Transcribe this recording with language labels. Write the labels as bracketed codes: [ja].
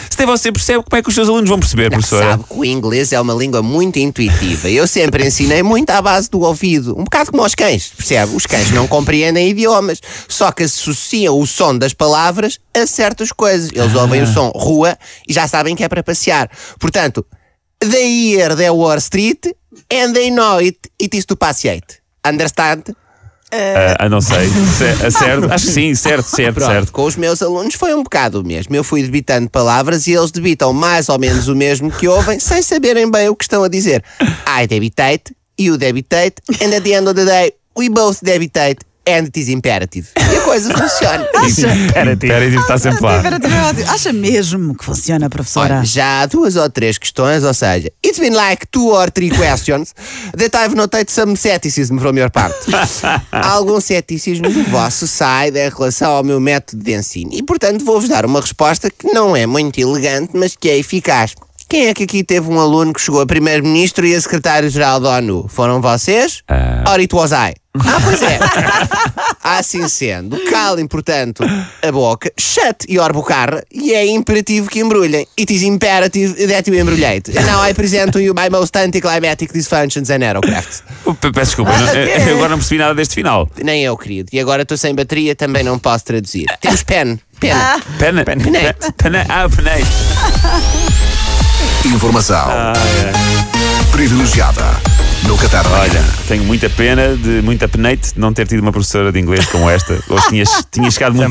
[pt] Se tem você percebe, como é que os seus alunos vão perceber, professora? Não, sabe que o inglês é uma língua muito intuitiva. Eu sempre ensinei muito à base do ouvido, um bocado como os cães, percebe? Os cães não compreendem idiomas, só que associam o som das palavras a certas coisas. Eles ouvem o som rua e já sabem que é para passear. Portanto, [en] they hear the Wall Street and they know it is to passeate. Understand? [pt] Não sei, certo, acho que sim, certo. Pronto, certo. Com os meus alunos foi um bocado o mesmo. Eu fui debitando palavras e eles debitam mais ou menos o mesmo que ouvem, sem saberem bem o que estão a dizer. [en] I debitate, you debitate, and at the end of the day, we both debitate, and it is imperative. [pt] E a coisa funciona. Imperative está sempre lá. Acha mesmo que funciona, professora? Olha, já há duas ou três questões, ou seja, [en] it's been like two or three questions that I've noted some scepticism from your part. [pt] Algum ceticismo do vosso side em relação ao meu método de ensino. E, portanto, vou-vos dar uma resposta que não é muito elegante, mas que é eficaz. Quem é que aqui teve um aluno que chegou a primeiro-ministro e a secretário-geral da ONU? Foram vocês? [en] Or it was I? [pt] Ah, pois é. Assim sendo, calem, portanto, a boca, [en] shut your [pt] bocarra, e é imperativo que embrulhem. [en] It is imperative that you embrulhate. Now I present to you my most anticlimactic dysfunctions and aircraft. [pt] Peço desculpa, eu agora não percebi nada deste final. Nem eu, querido. E agora estou sem bateria, também não posso traduzir. Temos pen. Pen. Pen. Pen. Ah, informação privilegiada no Qatar. Olha, tenho muita pena, muita peneite de não ter tido uma professora de inglês como esta. Hoje tinha chegado muito